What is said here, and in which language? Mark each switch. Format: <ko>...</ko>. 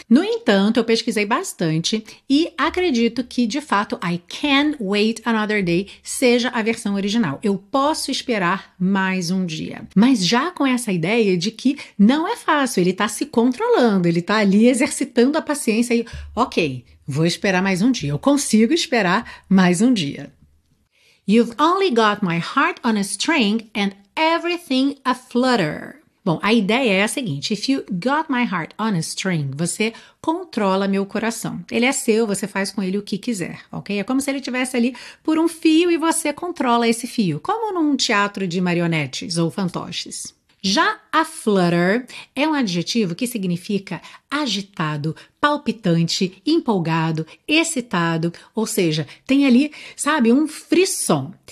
<pt>No entanto, eu pesquisei bastante e acredito que de fato</pt> <en>I can wait another day</en> <pt>seja a versão original. Eu posso esperar mais um dia. Mas já com essa ideia de que não é fácil, ele está se controlando. Ele está ali exercitando a paciência e, ok, vou esperar mais um dia. Eu consigo esperar mais um dia.</pt> <en>You've only got my heart on a string and everything a flutter.</en> <pt>Bom, a ideia é a seguinte:</pt> <en>if you got my heart on a string,</en> <pt>você controla meu coração. Ele é seu, você faz com ele o que quiser, ok? É como se ele estivesse ali por um fio e você controla esse fio, como num teatro de marionetes ou fantoches. Já a flutter é um adjetivo que significa agitado, palpitante, empolgado, excitado, ou seja, tem ali, sabe, um frisson.</pt>